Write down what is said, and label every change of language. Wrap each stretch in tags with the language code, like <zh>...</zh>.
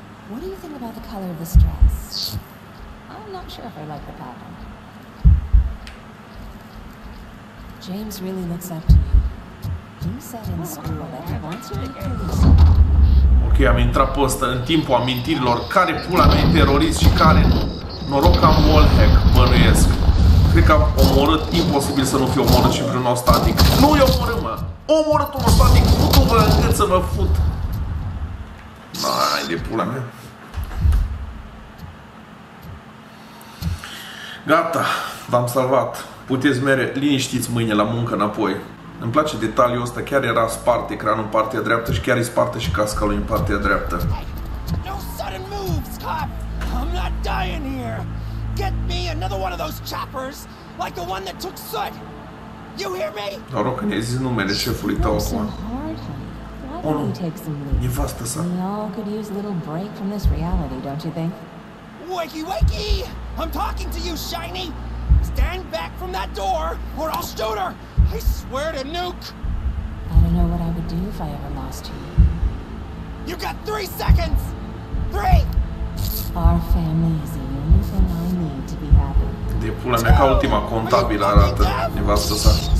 <en>What do you think about the color of this dress? I'm not sure if I like the pattern. James really looks up to you. He said in school that he wants to be police.</en> <ro>Ok, am intrat pe ăsta în timpul amintirilor. Care pula mea e terorist și care nu? Noroc că am wallhack, bănuiesc. Cred că am omorât, imposibil să nu fie omorât și vreun ostatic. Nu-i omorâm, mă! Omorâtul ostatic, putu-vă încât să vă fut! Hai de pula mea! Gata, v-am salvat. Puteți mere liniștiți mâine la muncă înapoi. Îmi place detaliul ăsta, chiar era spart ecranul în partea dreaptă și chiar îi spartă și casca lui în partea dreaptă.</ro> <en>No sudden moves, cop! I'm not dying here! Get me another one of those choppers, like the one that took Soot! You hear me?</en> <ro>Noroc că ne-ai zis numele șefului tău acum. O, nu! Nevastă sa!</ro> <en>We all could use a little break from this reality, don't you think? Wakey, wakey! I'm talking to you, Shiny! Stand back from that door, or I'll shoot her! I swear to nuke! I don't know what I would do if I ever lost you. You got 3 seconds! 3! Our family is the only thing I need to be happy.</en> <ro>De pula mea, ca ultima contabilă arată nevastă sa.</ro>